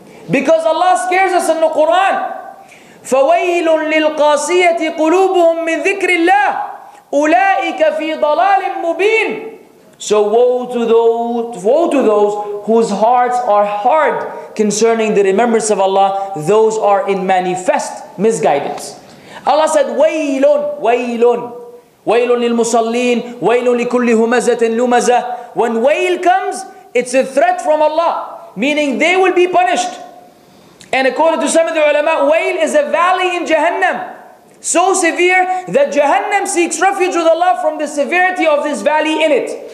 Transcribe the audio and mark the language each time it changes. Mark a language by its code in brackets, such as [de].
[en] Because Allah scares us in the Quran. [ar] فَوَيْلٌ لِلْقَاسِيَةِ قُلُوبُهُمْ مِنْ ذِكْرِ اللَّهِ أُولَٰئِكَ فِي ضَلَالٍ مُبِينٍ. [en] So woe to those whose hearts are hard concerning the remembrance of Allah. Those are in manifest misguidance. Allah said, [ar] وَيْلٌ وَيْلٌ وَيْلٌ لِلْمُصَلِّينَ وَيْلٌ لِكُلِّ هُمَزَةٍ لُمَزَةٍ. [en] When wail comes, it's a threat from Allah, meaning they will be punished. And according to some of the ulama, wail is a valley in Jahannam, so severe that Jahannam seeks refuge with Allah from the severity of this valley in it.